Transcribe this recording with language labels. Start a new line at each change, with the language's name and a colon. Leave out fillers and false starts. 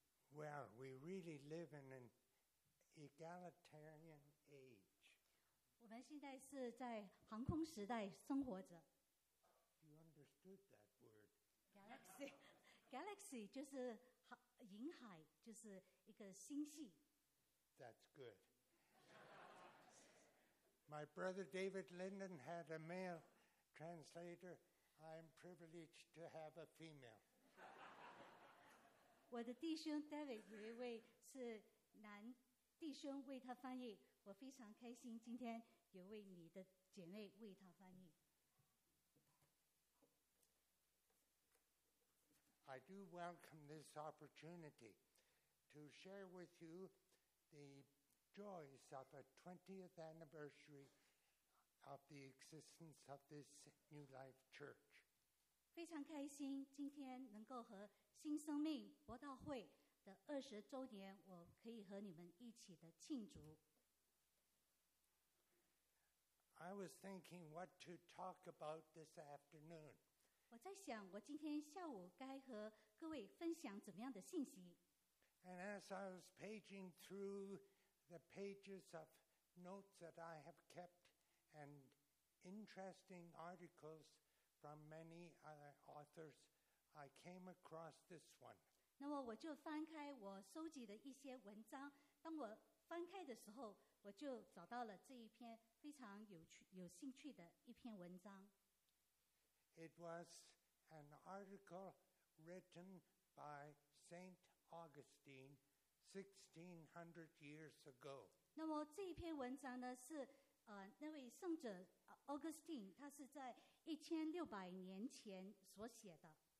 English: Well, we really live in an egalitarian age.
Chinese: 我们现在是在航空时代生活着。
English: You understood that word. Galaxy, galaxy
Chinese: 就是银海，就是一个星系。
English: That's good. My brother David Linden had a male translator. I'm privileged to have a female.
Chinese: 我的弟兄 David 有一位是男弟兄为他翻译，我非常开心今天有位你的姐妹为他翻译。
English: I do welcome this opportunity to share with you the joys of a 20th anniversary of the existence of this New Life Church.
Chinese: 非常开心今天能够和新生命博道会的二十周年，我可以和你们一起的庆祝。
English: I was thinking what to talk about this afternoon.
Chinese: 我在想，我今天下午该和各位分享怎么样的信息。
English: And as I was paging through the pages of notes that I have kept and interesting articles from many other authors. I came across this one.
Chinese: 那么我就翻开我收集的一些文章，当我翻开的时候，我就找到了这一篇非常有趣、有兴趣的一篇文章。
English: It was an article written by Saint Augustine 1600 years ago.
Chinese: 那么这一篇文章呢，是那位圣者 Augustine 他是在1600年前所写的。